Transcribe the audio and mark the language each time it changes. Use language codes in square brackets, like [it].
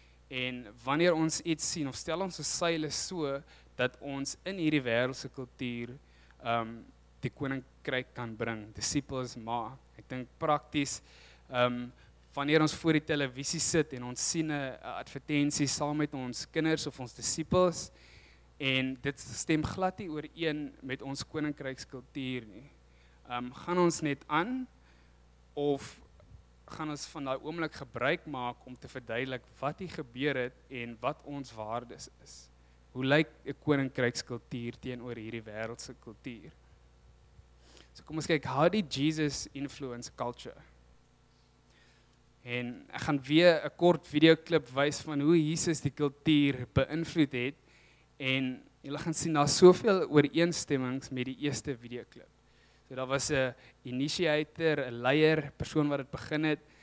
[af] En wanneer ons iets sien of stel ons se seile so dat ons in hierdie wêreldse kultuur die koninkryk kan bring, disippels maak. Ek dink prakties wanneer ons voor die televisie sit en ons sien 'n advertensie saam met ons kinders of ons disippels en dit stem glad nie ooreen met ons koninkrykskultuur nie. Gaan ons net aan of gaan ons van daai oomblik gebruik maak om te verduidelik wat hier gebeur het en wat ons waardes is? Hoe lyk 'n koninkrykskultuur teenoor hierdie wêreldse kultuur? So kom ons kyk, [en] how did Jesus influence culture? [af] En ek gaan weer 'n kort videoklip wys van hoe Jesus die kultuur beïnvloed het en julle gaan sien daar soveel ooreenstemmings met die eerste videoklip. So daar was 'n initiator, 'n leier, persoon wat dit begin het.